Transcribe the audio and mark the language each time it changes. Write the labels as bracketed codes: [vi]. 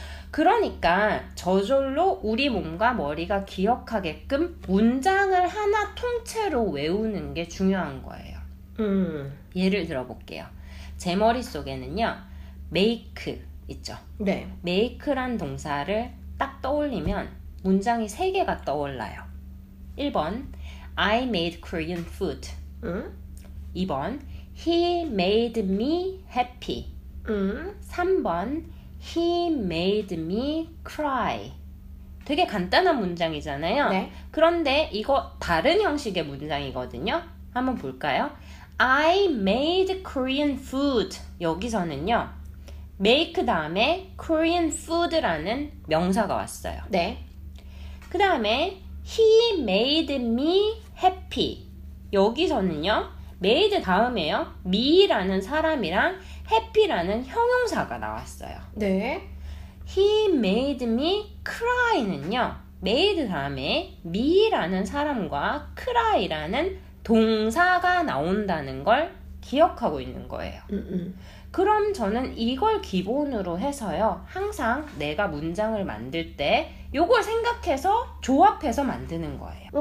[ko] 그러니까 저절로 우리 몸과 머리가 기억하게끔 문장을 하나 통째로 외우는 게 중요한 거예요. 예를 들어볼게요. 제 머릿속에는요 make 있죠? 네. make란 동사를 딱 떠올리면 문장이 세 개가 떠올라요. [en] 1번 I made Korean food. 2번 He made me happy. 3번 He made me cry. [ko] 되게 간단한 문장이잖아요. 네. 그런데 이거 다른 형식의 문장이거든요. 한번 볼까요? [en] I made Korean food. [ko] 여기서는요. make 다음에 Korean food라는 명사가 왔어요. 네. 그 다음에 [en] He made me happy. [ko] 여기서는요. made 다음에요. me라는 사람이랑 happy라는 형용사가 나왔어요. 네. [en] He made me cry는요. [ko] made 다음에 me라는 사람과 cry라는 동사가 나온다는 걸 기억하고 있는 거예요. 그럼 저는 이걸 기본으로 해서요. 항상 내가 문장을 만들 때 요걸 생각해서 조합해서 만드는 거예요.